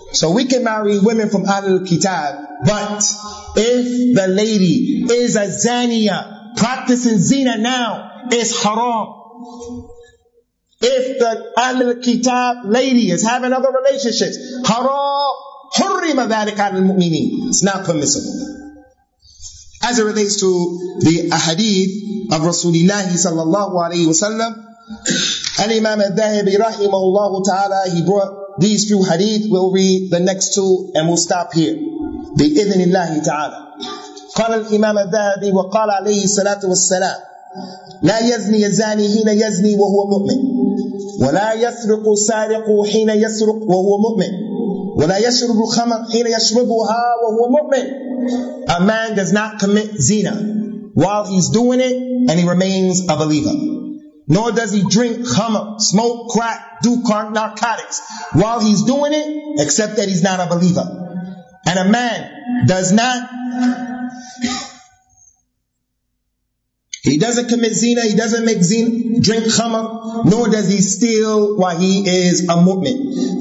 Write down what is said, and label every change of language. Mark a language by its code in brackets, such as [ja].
[en] So we can marry women from Ahlul Kitab, but if the lady is a zaniya, practicing zina now, is haram. If the Ahlul Kitab lady is having other relationships, haram. [ar] حُرِّمَ ذَلِكَ عَلَى الْمُؤْمِنِينَ [en] It's not permissible. As it relates to the ahadith of Rasulullah sallallahu alayhi wa sallam, Al-Imam al-Dahibi rahimahullah ta'ala, he brought these few hadith. We'll read the next two and we'll stop here. [ar] بإذن الله تعالى قال الإمام الذهبي وقال عليه الصلاة والسلام لا يزني الزاني حين يزني وهو مؤمن ولا يسرق سارق حين يسرق وهو مؤمن ولا يشرب الخمر حين يشربها وهو مؤمن. [en] A man does not commit zina while he's doing it and he remains a believer. Nor does he drink khamr, smoke crack, do narcotics while he's doing it, except that he's not a believer. And a man does not, he doesn't commit zina, he doesn't make zina, drink khamr, nor does he steal while he is a mu'min.